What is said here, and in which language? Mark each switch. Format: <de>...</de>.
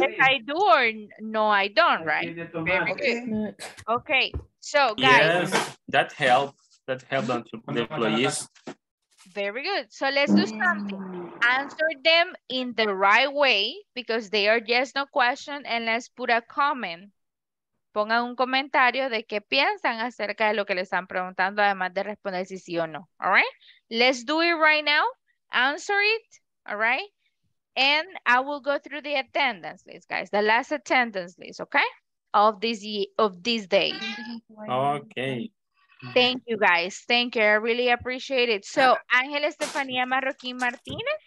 <en>Yes, I do or no, I don't, right? Okay, so guys. Yes, that helped. That helped the employees. Very good. So let's do something. Answer them in the right way because they are yes, no question. And let's put a comment.</en> <es>Pongan un comentario de qué piensan acerca de lo que le están preguntando, además de responder si sí o no.</es> <en>All right? Let's do it right now. Answer it. All right? And I will go through the attendance list, guys. The last attendance list, okay? Of this year, of this day. Okay. Thank you, guys. Thank you. I really appreciate it. So, Ángel Estefanía Marroquín Martínez.</en>